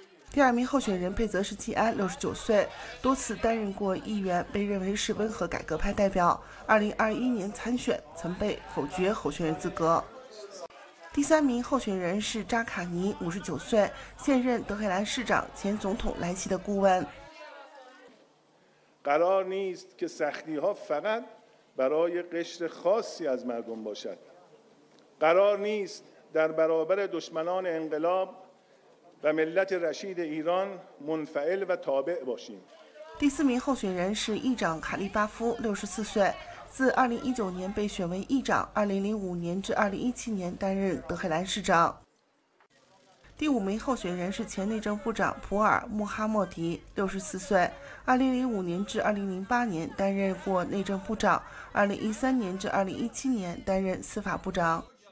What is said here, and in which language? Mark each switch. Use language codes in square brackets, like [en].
[zh] 第二名候选人贝泽什季安69岁，多次担任过议员，被认为是温和改革派代表。 2021年参选，曾被否决候选人资格。第三名候选人是扎卡尼59岁，现任德黑兰市长，前总统莱西的顾问。 [fa] قرار نیست که سختی ها فقط برای قشر خاصی از مردم باشد. قرار نیست در برابر دشمنان انقلاب و ملت رشید ایران منفعل و تابع باشیم. [zh] 第四名候选人是议长卡利巴夫64岁。自2019年被选为议长，2005年至2017年担任德黑兰市长。第五名候选人是前内政部长普尔穆哈莫迪64岁，2005年至2008年担任过内政部长，2013年至2017年担任司法部长。